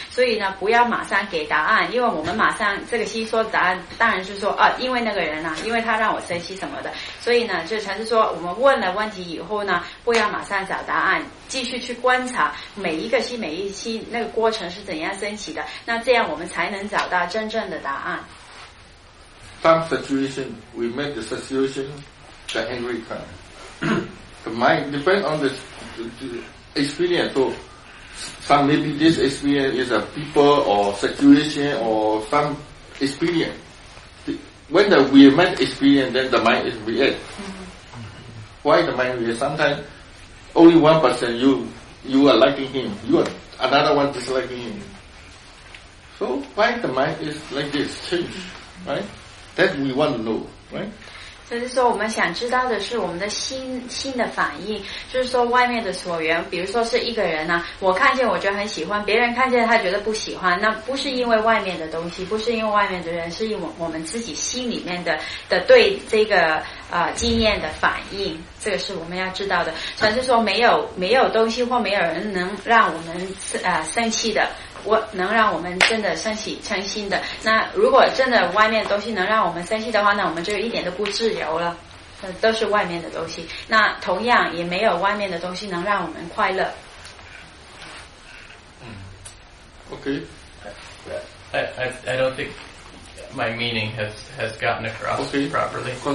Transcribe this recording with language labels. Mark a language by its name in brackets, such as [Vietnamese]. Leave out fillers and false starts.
[Chinese] 所以呢，不要马上给答案，因为我们马上这个心说答案，当然是说啊，因为那个人啊，因为他让我生气什么的。所以呢，就禅师说，我们问了问题以后呢，不要马上找答案，继续去观察每一个心每一心那个过程是怎样升起的。那这样我们才能找到真正的答案。 [English] Some situation we make the situation the angry kind. The mind depends on the experience. So some maybe this experience is a people or situation or some experience. When the we make experience, then the mind is react. Why the mind react? Sometimes only 1% you are liking him. You are another one disliking him. So why the mind is like this change, right? That we want to know, right? [Chinese] 就是说我们想知道的是我们的心的反应，就是说外面的所缘，比如说是一个人啊，我看见我觉得很喜欢，别人看见他觉得不喜欢，那不是因为外面的东西，不是因为外面的人，是因为我们自己心里面的对这个经验的反应，这个是我们要知道的。传是说没有东西或没有人能让我们生气的，我能让我们真的升起嗔心的。那如果真的外面的东西能让我们升起的话，那我们就一点都不自由了，都是外面的东西。那同样也没有外面的东西能让我们快乐。 [English] OK, I don't think my meaning has gotten across properly.